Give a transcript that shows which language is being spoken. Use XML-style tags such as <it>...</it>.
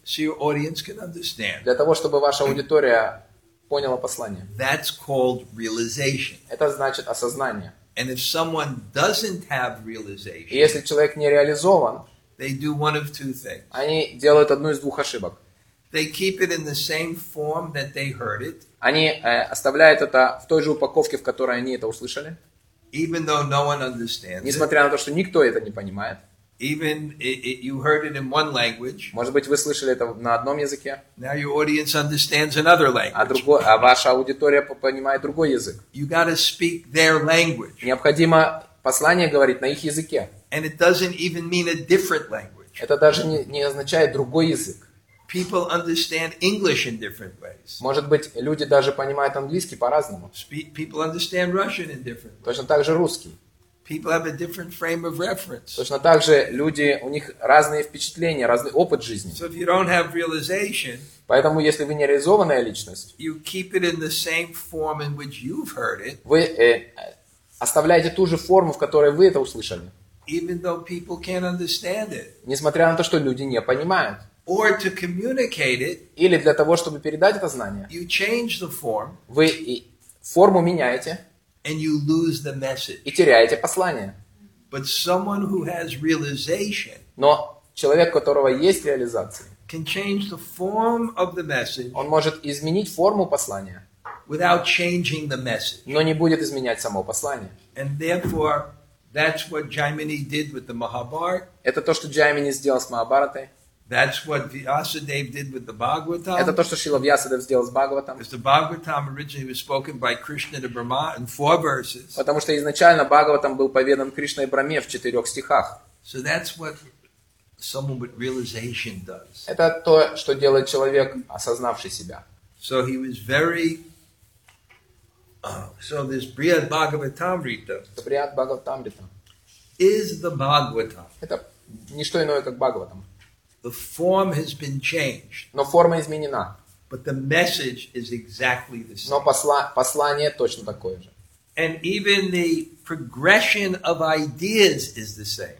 <en>So your audience can understand.</en> <ru>Для того, чтобы ваша аудитория поняла послание.</ru> <en>That's called realization.</en> <ru>Это значит осознание.</ru> <en>And if someone doesn't have realization,</en> <ru>и если человек не реализован,</ru> <en>They do one of two things.</en> <ru>Они делают одну из двух ошибок.</ru> <en>They keep it in the same form that they heard it.</en> <ru>Они оставляют это в той же упаковке, в которой они это услышали.</ru> <en>Even though no one understands.</en> <ru>Несмотря на то, что никто это не понимает.</ru> <en>Even if you heard it in one language.</en> <ru>Может быть, вы слышали это на одном языке.</ru> <en>Now your audience understands another language.</en> <ru>А ваша аудитория понимает другой язык.</ru> <en>You got to speak their language.</en> <ru>Необходимо послание говорить на их языке.</ru> <en>And it doesn't even mean a different language.</en> <ru>Это даже не означает другой язык.</ru> <en>People understand English in different ways.</en> <ru>Может быть, люди даже понимают английский по-разному.</ru> <en>People understand Russian in different ways.</en> <ru>Точно так же русский.</ru> <en>People have a different frame of reference.</en> <ru>Точно так же люди, у них разные впечатления, разный опыт жизни.</ru> <en>So if you don't have realization,</en> <ru>поэтому если вы не реализованная личность,</ru> <en>you keep it in the same form in which you've heard it.</en> <ru>Вы оставляете ту же форму, в которой вы это услышали.</ru> <en>Even though people can't understand it.</en> <ru>Несмотря на то, что люди не понимают.</ru> <en>Or to communicate it.</en> <ru>Или для того, чтобы передать это знание.</ru> <en>You change the form.</en> <ru>Вы форму меняете.</ru> <en>And you lose the message.</en> <ru>И теряете послание.</ru> <en>But someone who has realization.</en> <ru>Но человек, у которого есть реализация.</ru> <en>Can change the form of the message.</en> <ru>Он может изменить форму послания.</ru> <en>Without changing the message.</en> <ru>Но не будет изменять само послание.</ru> <en>And therefore, that's what Jaimini did with the Mahabharat.</en> <ru>Это то, что Jaimini сделал с Махабхаратой.</ru> <en>That's what Vyasadeva did with the Bhagavatam.</en> <ru>Это то, что Шрила Вьясадев сделал с Бхагаватом.</ru> <en>Because the Bhagavatam originally was spoken by Krishna to Brahma in four verses.</en> <ru>Потому что изначально Бхагаватам был поведан Кришной Брахме в четырех стихах.</ru> <en>So that's what someone with realization does.</en> <ru>Это то, что делает человек, осознавший себя.</ru> <en>So he was very. So this Brihat Bhagavatamrita.</en> <ru>Брихат Бхагаватамрита.</ru> <en>Is the Bhagavatam.</en> <ru>Это не что иное, как Бхагаватам.</ru> <en>The form has been changed.</en> <ru>Но форма изменена.</ru> <en>But the message is exactly the same.</en> <ru>Но послание точно такое же.</ru> <en>And even the progression of ideas is the same.</en>